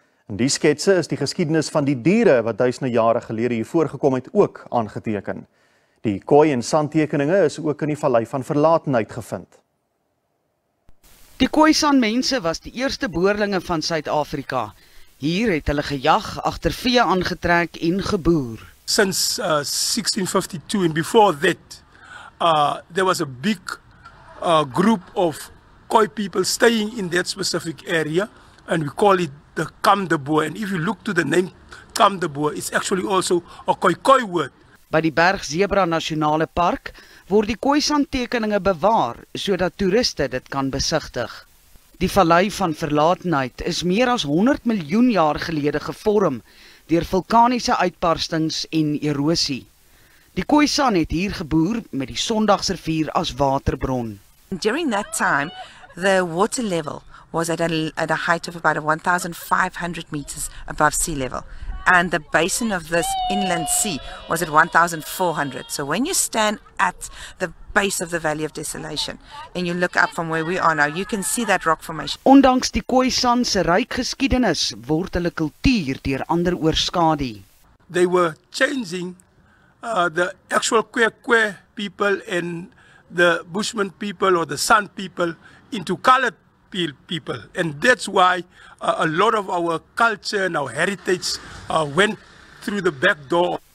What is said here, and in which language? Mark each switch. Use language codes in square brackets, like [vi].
[af] In die sketse is die geskiedenis van die diere wat duisende jare gelede hier voorgekom het ook aangeteken. Die Khoi en San tekeninge is ook in die Vallei van Verlatenheid gevind. Die Khoi San mense was die eerste boerlinge van Suid-Afrika. Hier het hulle gejag, agter vee aangetrek en geboer. [en] Since 1652 and before that, there was a big group of Khoi people staying in that specific area, and we call it the Kamdeboer. And if you look to the name Kamdeboer, it's actually also a Khoi word. [af] By die Berg Zebra Nasionale Park word die Khoi San tekeninge bewaar sodat toeriste dit kan besigtig. Die Vallei van Verlatenheid is meer as 100 miljoen jaar gelede gevorm deur vulkaniese uitbarstings en erosie. Die Khoi San het hier geboer met die Sondagsrivier as waterbron. [en] During that time, the water level was at a height of about 1500 meters above sea level. And the basin of this inland sea was at 1,400. So when you stand at the base of the Valley of Desolation and you look up from where we are now, you can see that rock formation. [af] Ondanks die Khoi San se ryk geskiedenis, word hulle kultuur deur ander oorskadu. [en] They were changing the actual Khoi people and the Bushman people or the San people into colored people, and that's why a lot of our culture and our heritage went through the back door.